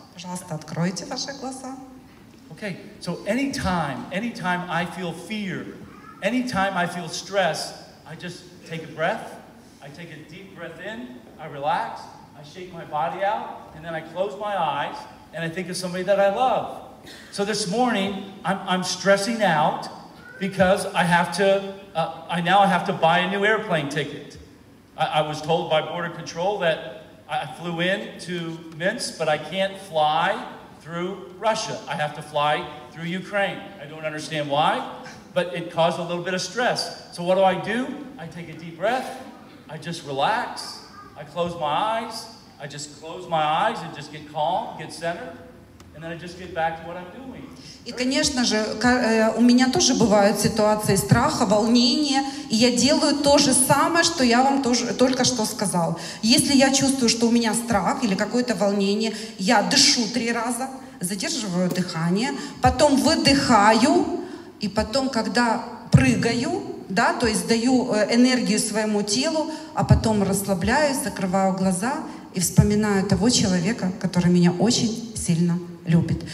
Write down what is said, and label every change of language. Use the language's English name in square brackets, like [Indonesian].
[Russian] Пожалуйста, откройте ваши глаза. [English] Okay, so anytime I feel fear, anytime I feel stress, I just take a breath, I take a deep breath in, I relax, I shake my body out, and then I close my eyes, and I think of somebody that I love. So this morning, I'm stressing out because I now have to buy a new airplane ticket. I was told by Border Control that I flew in to Minsk, but I can't fly through Russia. I have to fly through Ukraine. I don't understand why, but it caused a little bit of stress. So what do? I take a deep breath. I just relax. I close my eyes. I just close my eyes and just get calm, get centered. And then I just get back to what I'm doing. [Russian] И, конечно же, у меня тоже бывают ситуации страха, волнения, и я делаю то же самое, что я вам только что сказал. Если я чувствую, что у меня страх или какое-то волнение, я дышу 3 раза, задерживаю дыхание, потом выдыхаю, и потом, когда прыгаю, да, то есть даю энергию своему телу, а потом расслабляюсь, закрываю глаза и вспоминаю того человека, который меня очень сильно любит.